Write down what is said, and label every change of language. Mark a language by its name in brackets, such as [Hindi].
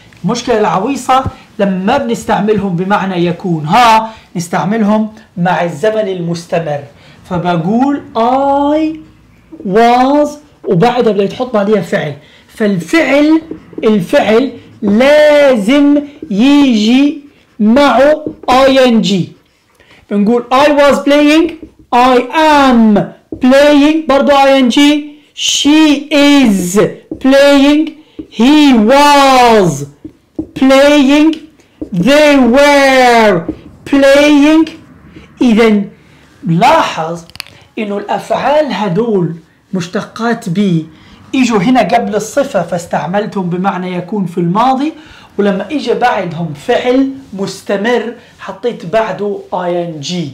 [Arabic] المشكلة العويصة لما بنستعملهم بمعنى يكون، ها نستعملهم مع الزمن المستمر، فبقول [English] I was [Arabic] وبعدها بدك تحط بعديها فعل، فالفعل لازم يجي معه ing. بنقول [English] I was playing، I am playing [Arabic] برضه [English] ing، she is playing، he was playing, they were playing. [Arabic] إذن لاحظ إنه الأفعال هدول مشتقات بي إجوا هنا قبل الصفة فاستعملتهم بمعنى يكون في الماضي، ولما إجا بعدهم فعل مستمر حطيت بعده ing.